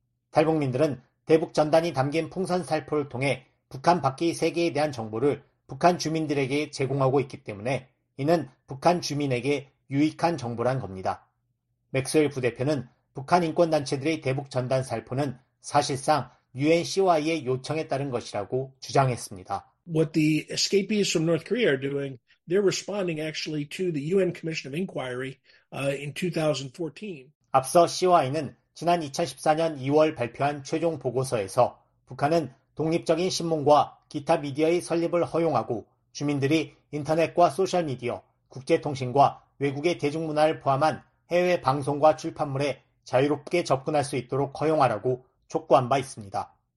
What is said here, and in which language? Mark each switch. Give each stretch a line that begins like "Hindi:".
Korean: 탈북민들은 대북 전단이 담긴 풍선 살포를 통해 북한 밖의 세계에 대한 정보를 북한 주민들에게 제공하고 있기 때문에 이는 북한 주민에게 유익한 정보란 겁니다. 맥스웰 부대표는 북한 인권단체들의 대북 전단 살포는 사실상 UNCY의 요청에 따른 것이라고 주장했습니다.
English: What the escapees from North Korea are doing, they're responding actually to the UN Commission of Inquiry in 2014.
Korean: 앞서 COI는 지난 2014년 2월 발표한 최종 보고서에서 북한은 독립적인 신문과 기타 미디어의 설립을 허용하고 주민들이 인터넷과 소셜미디어, 국제통신과 외국의 대중문화를 포함한 해외 방송과 출판물에 자유롭게 접근할 수 있도록 허용하라고 촉구한 바 있습니다.